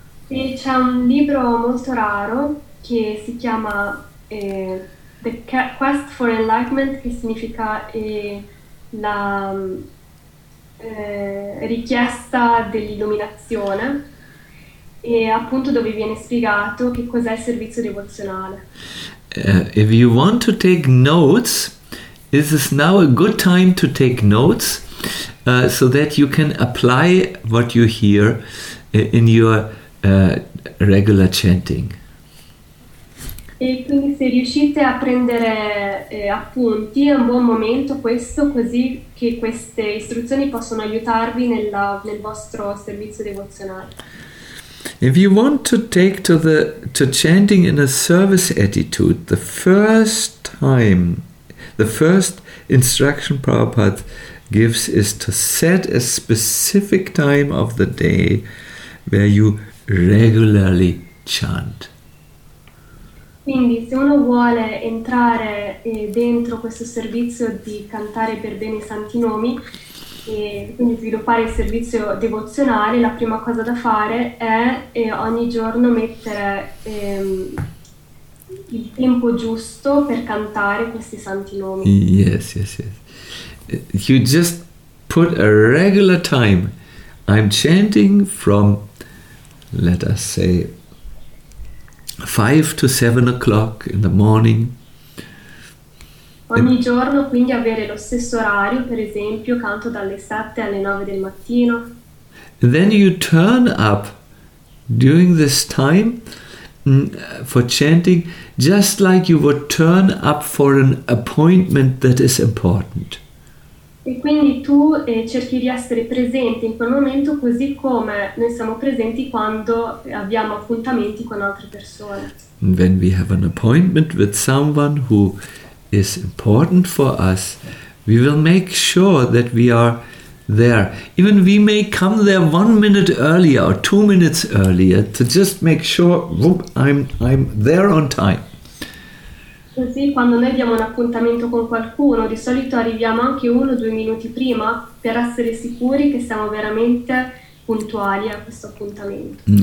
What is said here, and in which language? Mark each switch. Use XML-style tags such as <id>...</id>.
<it>C'è un libro molto raro che si chiama The Quest for Enlightenment, che significa richiesta dell'illuminazione, e appunto dove viene spiegato che cos'è il servizio devozionale.</it> <en>If you want to take notes, this is now a good time to take notes so that you can apply what you hear in your regular chanting.</en> <it>E quindi se riuscite a prendere appunti, è un buon momento questo, così che queste istruzioni possono aiutarvi nel vostro servizio devozionale.</it> <en>If you want to take to chanting in a service attitude, the first time, the first instruction Prabhupada gives is to set a specific time of the day where you regularly chant.</en> <it>Quindi se uno vuole entrare dentro questo servizio di cantare per bene i santi nomi e quindi sviluppare il servizio devozionale, la prima cosa da fare è ogni giorno mettere il tempo giusto per cantare questi santi nomi.</it> <en>Yes, yes, yes. You just put a regular time. I'm chanting from, let us say, 5 to 7 o'clock in the morning.</en> <it>Ogni giorno, quindi avere lo stesso orario, per esempio, canto dalle 7 alle 9 del mattino.</it> <en>Then you turn up during this time for chanting, just like you would turn up for an appointment that is important.</en> <it>E quindi tu cerchi di essere presente in quel momento così come noi siamo presenti quando abbiamo appuntamenti con altre persone.</it> <en>When we have an appointment with someone who is important for us, we will make sure that we are there. Even we may come there 1 minute earlier or 2 minutes earlier to just make sure I'm there on time.</en> <it>Così quando noi abbiamo un appuntamento con qualcuno, di solito arriviamo anche 1 o 2 minuti prima per essere sicuri che siamo veramente puntuali a questo appuntamento.</it>